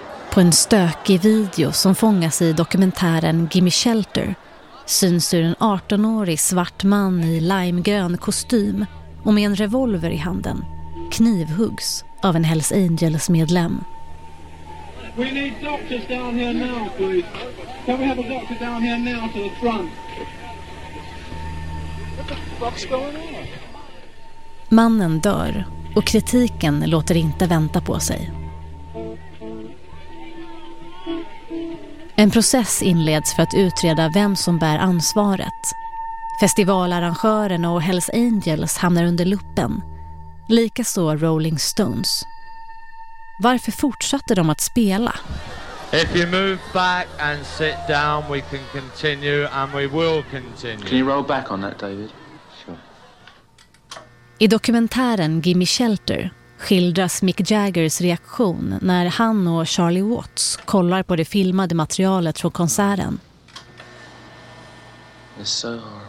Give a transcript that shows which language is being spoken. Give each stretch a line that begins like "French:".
Swedish: På en stökig video som fångas i dokumentären Gimme Shelter syns hur en 18-årig svart man i limegrön kostym och med en revolver i handen knivhuggs av en Hells Angels medlem.
English: We need doctors down here now, please. Can we have a doctor down here now to the front? What the fuck's going on?
Swedish: Mannen dör och kritiken låter inte vänta på sig. En process inleds för att utreda vem som bär ansvaret. Festivalarrangören och Hells Angels hamnar under luppen. Likaså Rolling Stones. Varför fortsatte de att spela?
English: If you move back and sit down, we can continue and we will continue. Can you roll back on that, David? Sure.
Swedish: I dokumentären Gimme Shelter skildras Mick Jaggers reaktion när han och Charlie Watts kollar på det filmade materialet från konserten.
English: It's so horrible.